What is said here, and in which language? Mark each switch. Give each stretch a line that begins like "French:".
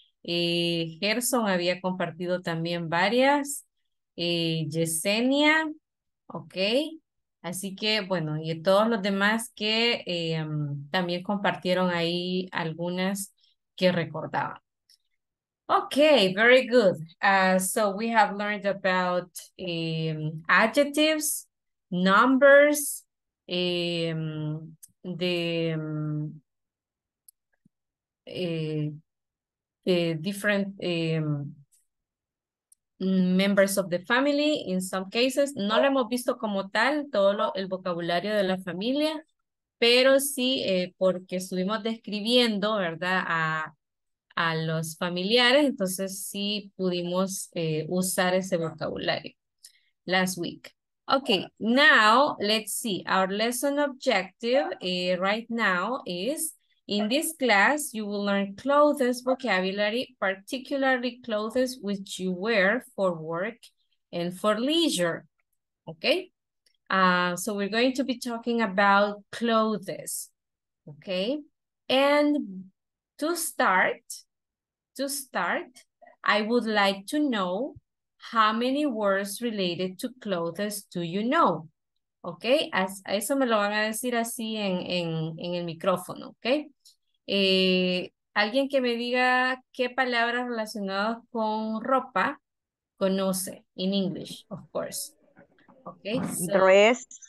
Spanish: Gerson había compartido también varias, Yesenia, ok, así que bueno, y todos los demás que también compartieron ahí algunas que recordaban.
English: Ok, very good. So we have learned about adjectives, numbers, different members of the family, in some cases.
Spanish: No lo hemos visto como tal, todo el vocabulario de la familia, pero sí, porque estuvimos describiendo, ¿verdad?, a los familiares, entonces sí pudimos usar ese vocabulario
English: last week. Okay, now let's see. Our lesson objective right now is. In this class, you will learn clothes vocabulary, particularly clothes which you wear for work and for leisure. Okay? So we're going to be talking about clothes. Okay? And to start, I would like to know how many words related to clothes do you know? Okay?
Spanish: Eso me lo van a decir así en el micrófono. Okay? Alguien que me diga qué palabras relacionadas con ropa conoce,
English: in English, of course. Okay, so, dress.